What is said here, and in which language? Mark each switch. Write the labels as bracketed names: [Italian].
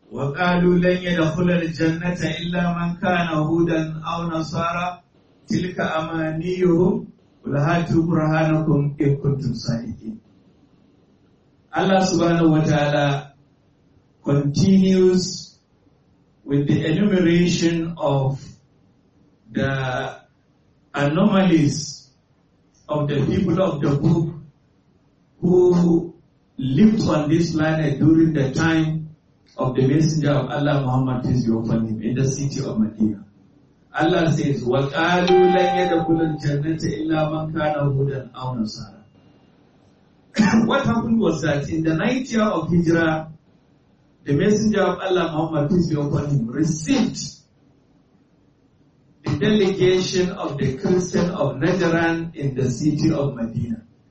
[Arabic] وقالوا لن يدخل الجنة إلا من كان هودا أو نصارى تلك أمانيهم قل هاتوا برهانكم إن كنتم صادقين. [English] Allah subhanahu wa ta'ala continues with the enumeration of the anomalies of the people of the book who lived on this planet during the time of the Messenger of Allah Muhammad, peace be upon him, in the city of Medina. Allah says, [Arabic] وَقَالُوا لَنْ يَدْخُلَ الْجَنَّةَ إِلَّا مَنْ كَانَ هُودًا أَوْ نَصَارَى. [English] What happened was that in the ninth year of Hijrah, the Messenger of Allah Muhammad, peace be upon him, received the delegation of the Christian of Najran in the city of Medina.